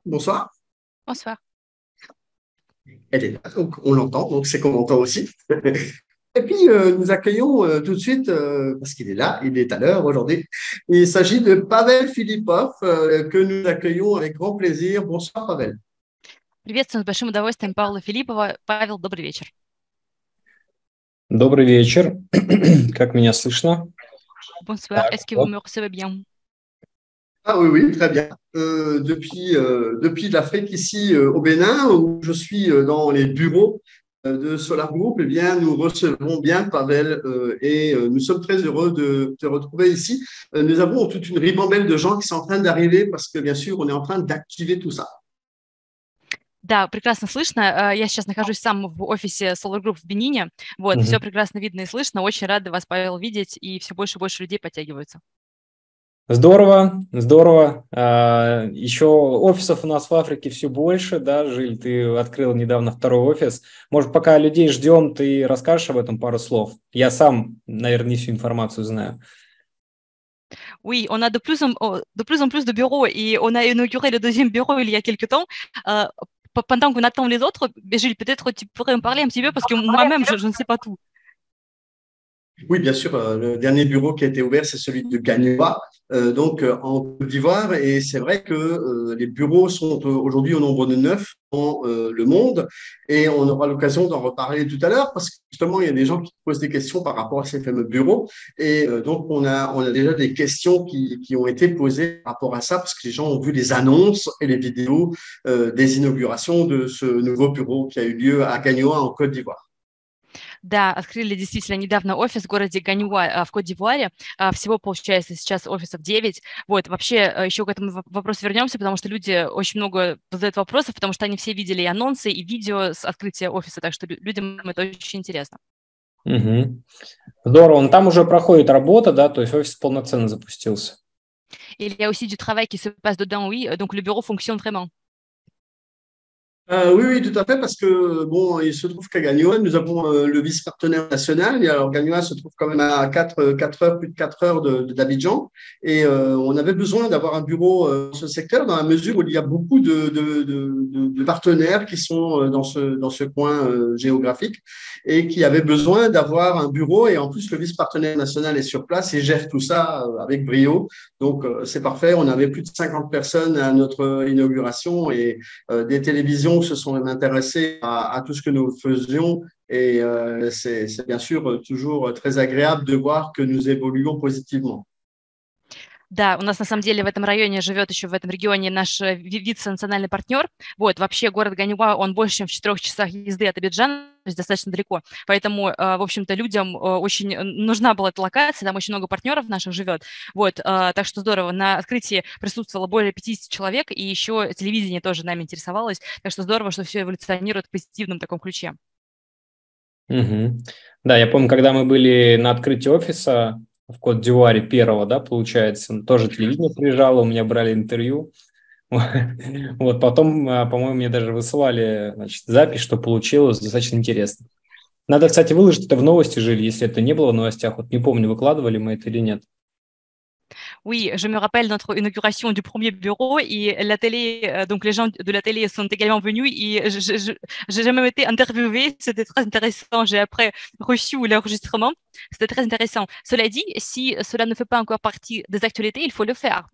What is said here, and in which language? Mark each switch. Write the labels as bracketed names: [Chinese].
[French] Bonsoir. Bonsoir. Elle est là, donc on l'entend, donc c'est qu'on l'entend aussi. Et puis, nous accueillons tout de suite, parce qu'il est là, il est à l'heure aujourd'hui, il s'agit de Pavel Filipov, que nous accueillons avec grand plaisir. Bonsoir, Pavel. [Russian] Приветствую с большим удовольствием Павла Филиппова. Павел, добрый вечер. Добрый вечер. Как меня слышно? [French] Bonsoir. [Russian] Так, [French] Est-ce que vous [Russian] вот. [French] me recevez bien? Ah oui, très bien. Depuis l'Afrique, ici au Bénin, où je suis dans les bureaux de Solar Group, eh bien, nous recevons bien Pavel et nous sommes très heureux de te retrouver ici. Nous avons toute une ribambelle de gens qui sont en train d'arriver parce que, bien sûr, on est en train d'activer tout ça. [Russian] Да, прекрасно слышно. Я сейчас нахожусь сам в офисе Solar Group в Бенине. Вот, все прекрасно видно и слышно. Очень рада вас, Павел, видеть, и все больше и больше людей подтягиваются. Здорово, здорово. Еще офисов у нас в Африке все больше, да, Жиль, ты открыл недавно второй офис. Может, пока людей ждем, ты расскажешь об этом пару слов? Я сам, наверное, не всю информацию знаю. [French] Oui, on a de plus en plus de bureaux et on a inauguré le deuxième bureau il y a quelque temps. Pendant qu'on attend les autres, Gilles, peut-être tu pourrais en parler un petit peu parce que moi-même, je ne sais pas tout. Oui, bien sûr, le dernier bureau qui a été ouvert, c'est celui de Gagnoa, donc en Côte d'Ivoire. Et c'est vrai que les bureaux sont aujourd'hui au nombre de 9 dans le monde. Et on aura l'occasion d'en reparler tout à l'heure parce que justement, il y a des gens qui posent des questions par rapport à ces fameux bureaux. Et donc, on a déjà des questions qui ont été posées par rapport à ça parce que les gens ont vu les annonces et les vidéos des inaugurations de ce nouveau bureau qui a eu lieu à Gagnoa, en Côte d'Ivoire. [Russian] Да, открыли действительно недавно офис в городе Ганьюа в Кот-д'Ивуаре. Всего получается сейчас офисов 9. Вот, вообще, еще к этому вопросу вернемся, потому что люди очень много задают вопросов, потому что они все видели и анонсы, и видео с открытия офиса, так что людям это очень интересно. Здорово, он там уже проходит работа, да, то есть офис полноценно запустился. [French] Il y a aussi du travail qui se passe dedans, oui, donc le bureau fonctionne vraiment. Oui, tout à fait, parce que bon, il se trouve qu'à Gagnoa, nous avons le vice-partenaire national. Et alors, Gagnoa se trouve quand même à 4 heures, plus de 4 heures d'Abidjan. Et on avait besoin d'avoir un bureau dans ce secteur, dans la mesure où il y a beaucoup de partenaires qui sont dans ce coin géographique et qui avaient besoin d'avoir un bureau. Et en plus, le vice-partenaire national est sur place et gère tout ça avec brio. Donc, c'est parfait. On avait plus de 50 personnes à notre inauguration et des télévisions se sont même intéressés à tout ce que nous faisions et c'est bien sûr toujours très agréable de voir que nous évoluons positivement. [Russian] Да, у нас на самом деле в этом районе живет еще в этом регионе наш вице-национальный партнер. Вот, вообще город Ганьюа, он больше, чем в 4 часах езды от Абиджана, то есть достаточно далеко. Поэтому, в общем-то, людям очень нужна была эта локация, там очень много партнеров наших живет. Вот, так что здорово. На открытии присутствовало более 50 человек, и еще телевидение тоже нами интересовалось. Так что здорово, что все эволюционирует в позитивном таком ключе. Да, я помню, когда мы были на открытии офиса в Кот-д'Ивуаре первого, да, получается, тоже телевидение приезжало, у меня брали интервью. Вот потом, по-моему, мне даже высылали, значит, запись, что получилось, достаточно интересно. Надо, кстати, выложить это в новости, Жиль, если это не было в новостях. Вот не помню, выкладывали мы это или нет. [French] Oui, je me rappelle notre inauguration du premier bureau et la télé, donc les gens de la télé sont également venus et j'ai jamais été interviewée, c'était très intéressant. J'ai après reçu l'enregistrement, c'était très intéressant. Cela dit, si cela ne fait pas encore partie des actualités, il faut le faire.